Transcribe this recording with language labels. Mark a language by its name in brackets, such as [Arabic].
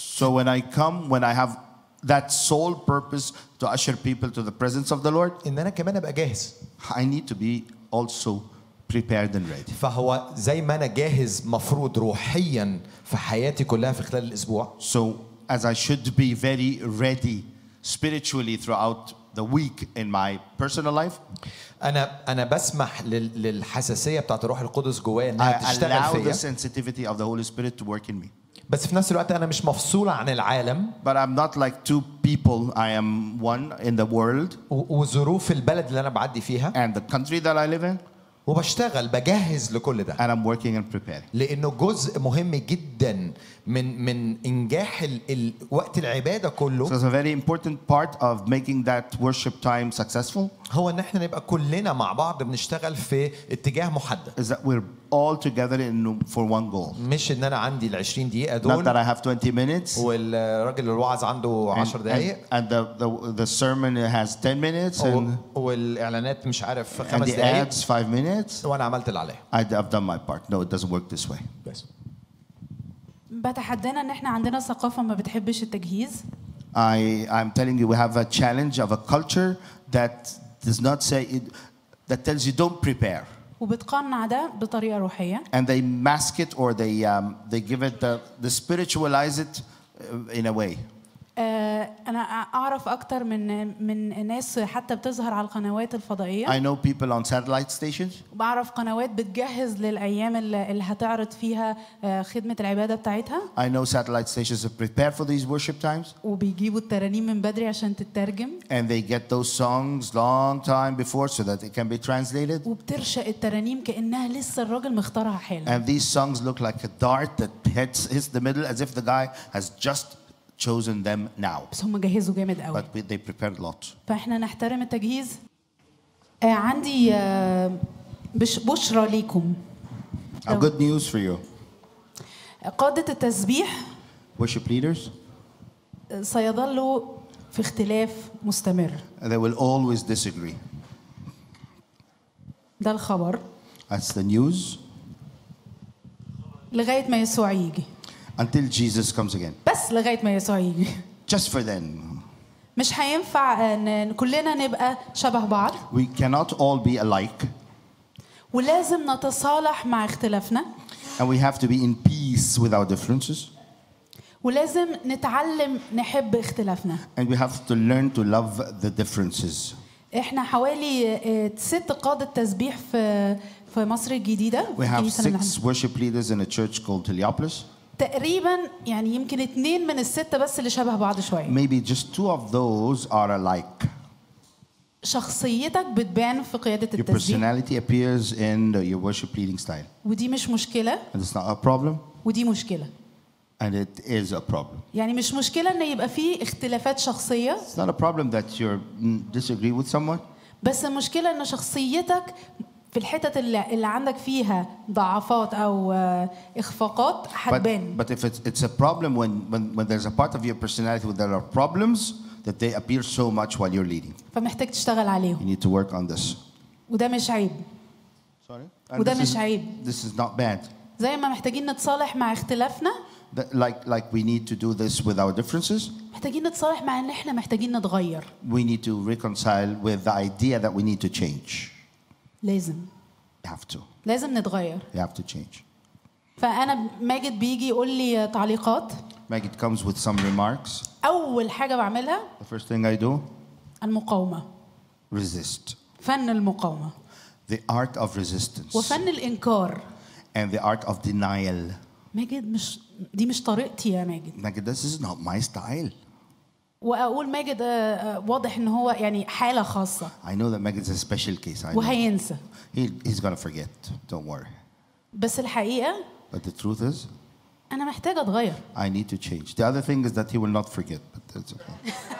[English] So when I come, when I have that sole purpose to usher people to the presence of the Lord. [Arabic] إن أنا كمان أبقى جاهز. [English] I need to be also prepared and ready. [Arabic] فهو زي ما أنا جاهز مفروض روحيا في حياتي كلها في خلال الأسبوع. [English] So as I should be very ready spiritually throughout the week in my personal life. [Arabic] أنا بسمح للحساسية بتاعة الروح القدس جوايا إنها تشتغل فيا. [English] I allow the sensitivity of the Holy Spirit to work in me. [Arabic] بس في نفس الوقت أنا مش مفصولة عن العالم. [English] But I'm not like two people. I am one in the world. [Arabic] وظروف البلد اللي أنا بعدي فيها. [English] And the country that I live in. [Arabic] وبشتغل بجهز لكل ده. [English] And I'm working and preparing. [Arabic] لأنه جزء مهم جدا من إنجاح الوقت العبادة كله. [English] So it's a very important part of making that worship time successful. [Arabic] هو إن إحنا نبقى كلنا مع بعض بنشتغل في اتجاه محدد. [English] Is that we're all together in for one goal. [Arabic] مش إن أنا عندي العشرين دقيقة دول. [English] Not that I have 20 minutes. [Arabic] والرجل الوعظ عنده 10 دقايق. [English] And the sermon has 10 minutes. [Arabic] والإعلانات مش عارف 5 دقايق. [English] And the ads 5 minutes. [Arabic] وأنا عملت اللي عليه. [English] I've done my part. No, it doesn't work this way. Yes. [Arabic] بتحدينا إن إحنا عندنا ثقافة ما بتحبش التجهيز. [English] I'm telling you we have a challenge of a culture that does not say it, that tells you don't prepare. [Arabic] وبتقنع ده بطريقة روحية. [English] And they mask it or they give it the spiritualize it in a way. [Arabic] أنا أعرف أكتر من ناس حتى بتظهر على القنوات الفضائية. [English] I know people on satellite stations. [Arabic] بعرف قنوات بتجهز للأيام اللي هتعرض فيها خدمة العبادة بتاعتها. [English] I know satellite stations are prepared for these worship times. [Arabic] وبيجيبوا الترانيم من بدري عشان تترجم. [English] And they get those songs long time before so that it can be translated. [Arabic] وبترشق الترانيم كأنها لسه الرجل مختارها حالا. [English] And these songs look like a dart that hits the middle as if the guy has just chosen them now. [Arabic] بس هم جهزوا جامد قوي. [English] But they prepared a lot. [Arabic] فاحنا نحترم التجهيز. عندي بشرى ليكم. [English] A good news for you. [Arabic] قادة التسبيح. [English] Worship leaders. [Arabic] سيظلوا في اختلاف مستمر. [English] They will always disagree. [Arabic] ده الخبر. [English] That's the news. [Arabic] لغاية ما يسوع يجي. [English] Until Jesus comes again. [Arabic] بس لغاية ما يسوع يجي. [English] Just for then. [Arabic] مش هينفع ان كلنا نبقى شبه بعض. [English] We cannot all be alike. [Arabic] ولازم نتصالح مع اختلافنا. [English] And we have to be in peace with our differences. [Arabic] ولازم نتعلم نحب اختلافنا. [English] And we have to learn to love the differences. [Arabic] احنا حوالي 6 قادة تسبيح في مصر الجديدة. [English] We have 6 worship leaders in a church called Heliopolis. [Arabic] تقريبا يعني يمكن 2 من الستة بس اللي شبه بعض شوية. [English] Maybe just 2 of those are alike. [Arabic] شخصيتك بتبان في قيادة التسبيح. [English] Your personality appears in your worship leading style. [Arabic] ودي مش مشكلة. [English] And it's not a problem. [Arabic] ودي مشكلة. [English] And it is a problem. [Arabic] يعني مش مشكلة إن يبقى فيه اختلافات شخصية. [English] It's not a problem that you disagree with someone. [Arabic] بس المشكلة إن شخصيتك في الحتة اللي عندك فيها ضعفات أو إخفاقات حتبان. [English] But if it's a problem when there's a part of your personality where there are problems that they appear so much while you're leading. [Arabic] فمحتاج تشتغل عليهم. [English] You need to work on this. [Arabic] وده مش عيب. [English] Sorry. [Arabic] وده مش عيب. [English] This is not bad. [Arabic] زي ما محتاجين نتصالح مع اختلافنا. [English] like we need to do this with our differences. [Arabic] محتاجين نتصالح مع ان احنا محتاجين نتغير. [English] We need to reconcile with the idea that we need to change. [Arabic] لازم. [English] You have to. [Arabic] لازم نتغير. [English] You have to change. [Arabic] فانا ماجد بيجي يقول لي تعليقات. [English] Maggie comes with some remarks. [Arabic] اول حاجه بعملها [English] The first thing I do. [Arabic] المقاومه. [English] Resist. [Arabic] فن المقاومه. [English] The art of resistance. [Arabic] وفن الانكار. [English] And the art of denial. [Arabic] ماجد مش دي مش طريقتي يا ماجد. [English] Maggie, this is not my style. [Arabic] واقول ماجد واضح ان هو يعني حاله خاصه. [English] I know that Maggie is a special case. [Arabic] وهينسى. [English] He's going to forget. Don't worry. [Arabic] بس الحقيقه [English] But the truth is [Arabic] انا محتاجه اتغير. [English] I need to change. The other thing is that he will not forget, but that's okay.